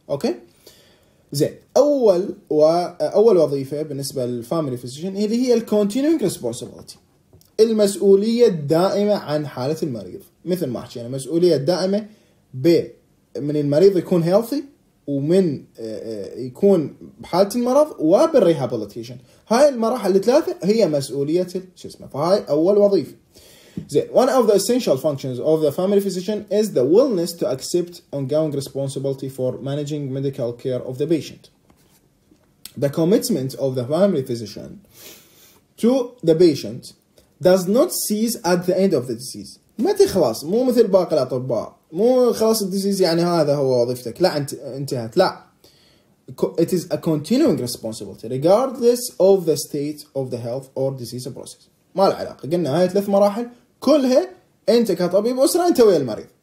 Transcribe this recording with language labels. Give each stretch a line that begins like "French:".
Arabic: اوكي زين، اول وظيفه بالنسبه للفاميلي فيزيشن اللي هي الكونتينوينج ريسبونسبيلتي، المسؤوليه الدائمه عن حاله المريض. مثل ما حكينا يعني المسؤوليه الدائمه ب من المريض يكون هيلثي، ومن يكون بحاله المرض، وبالريهابيليتيشن. هاي المراحل الثلاثه هي مسؤوليه الجسم. فهاي اول وظيفه. زين،
English: one of the essential functions of the family physician is the willingness to accept ongoing responsibility for managing medical care of the patient. The commitment of the family physician to the patient does not cease at the end of the disease.
Arabic: ما تخلص، مو مثل باقي الأطباء، مو خلاص الديزيز يعني هذا هو وظيفتك، لا انتهت، لا.
English: It is a continuing responsibility regardless of the state of the health or disease process.
Arabic: ما له علاقة، قلنا هاي ثلاث مراحل كلها انت كطبيب أسرة انت ويا المريض.